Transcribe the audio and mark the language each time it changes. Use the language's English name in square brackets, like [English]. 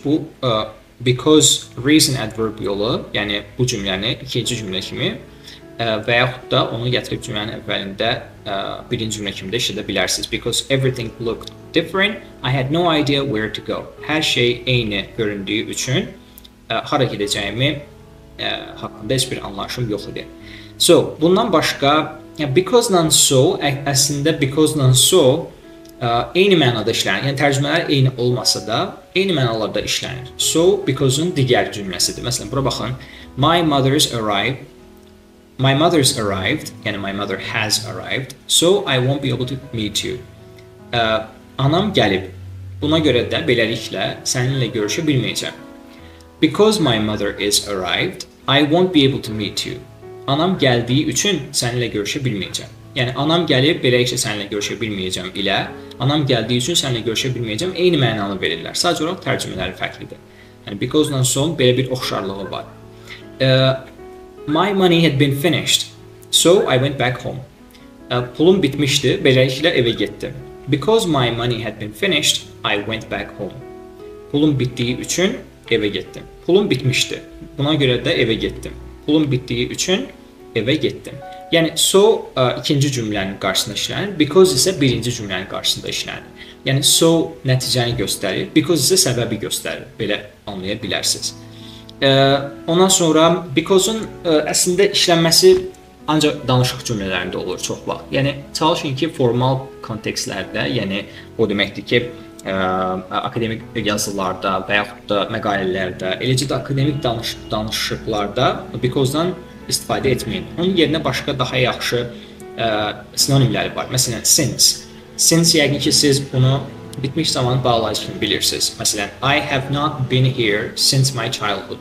[Azerbaijani] Bu, [English] because reason adverb [Azerbaijani] yolu, yəni bu cümləni, ikinci cümlə kimi və yaxud da onu gətirib cümlənin əvvəlində birinci cümlə kimi də işlədə bilərsiniz. [English] Because everything looked different, I had no idea where to go. [Azerbaijani] Hər şey eyni göründüyü üçün hara gedəcəyimi haqqında heç bir anlayışım yox idi. So, bundan başqa, because-dan so, əslində because-dan so eyni mənada işlənir. Yəni, tərcümələr eyni olmasa da, eyni mənalarda işlənir. [English] So, because-un [Azerbaijani] digər cümləsidir. Məsələn, bura baxın. [English] My mother's arrived, yəni my mother has arrived, so I won't be able to meet you. [Azerbaijani] Anam gəlib, buna görə də beləliklə səninlə görüşə bilməyəcəm. [English] Because my mother is arrived, I won't be able to meet you. [Azerbaijani] Anam gəldiyi üçün səninlə görüşə bilməyəcəm. Yəni, anam gəlib, beləliklə səninlə görüşə bilməyəcəm ilə, anam gəldiyi üçün səninlə görüşə bilməyəcəm eyni mənanı verirlər. Sadəcə olaraq tərcümələri fərqlidir. Yəni, because-dan son belə bir oxşarlığı var. [English] My money had been finished, so I went back home. [Azerbaijani] Pulum bitmişdi, beləliklə evə getdim. [English] Because my money had been finished, I went back home. [Azerbaijani] Pulum bitdiyi üçün evə getdim. Pulum bitmişdi, buna görə də evə getdim. Pulum bitdiyi üçün evə getdim. Yəni, so ikinci cümlənin qarşısında işlənir, because isə birinci cümlənin qarşısında işlənir. Yəni, so nəticəni göstərir, because isə səbəbi göstərir, belə anlaya bilərsiniz. Ondan sonra because-un əslində işlənməsi ancaq danışıq cümlələrində olur çox vaxt. Yəni, çalışın ki, formal kontekstlərdə, yəni o deməkdir ki, akademik yazılarda və yaxud da məqalələrdə, eləcə də akademik danışıqlarda because-dan istifadə etməyin. Onun yerinə başqa daha yaxşı sinonimləri var. Məsələn, since. Since yəqin ki, siz bunu bitmiş zaman bağlayıcı kimi bilirsiniz. [English] Məsələn, I have not been here since my childhood.